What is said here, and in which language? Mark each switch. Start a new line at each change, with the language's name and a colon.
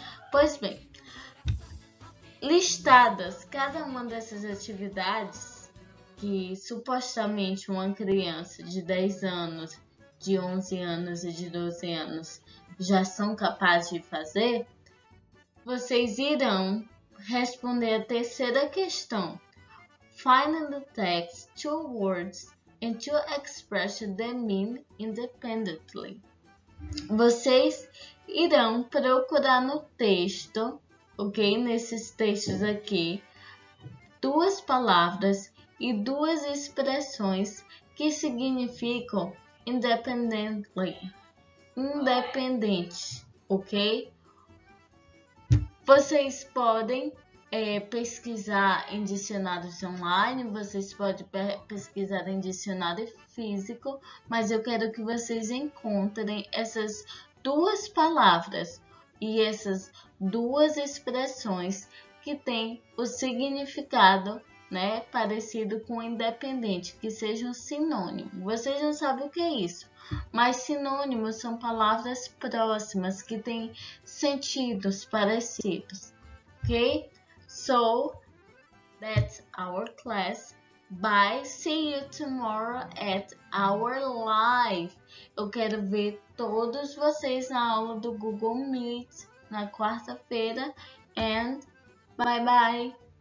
Portuguese: Pois bem, listadas cada uma dessas atividades que supostamente uma criança de 10 anos, de 11 anos e de 12 anos já são capazes de fazer, vocês irão responder a terceira questão.
English: Find the text, two words, and two expressions that mean independently.
Portuguese: Vocês irão procurar no texto, ok? Nesses textos aqui, duas palavras e duas expressões que significam independently, independente, ok? Vocês podem pesquisar em dicionários online, vocês podem pesquisar em dicionário físico, mas eu quero que vocês encontrem essas duas palavras e essas duas expressões que têm o significado, né, parecido com independente, que seja um sinônimo. Vocês não sabem o que é isso, mas sinônimos são palavras próximas que têm sentidos parecidos, ok?
English: So, that's our class. Bye. See you tomorrow at our live.
Portuguese: Eu quero ver todos vocês na aula do Google Meet na quarta-feira.
English: And bye-bye.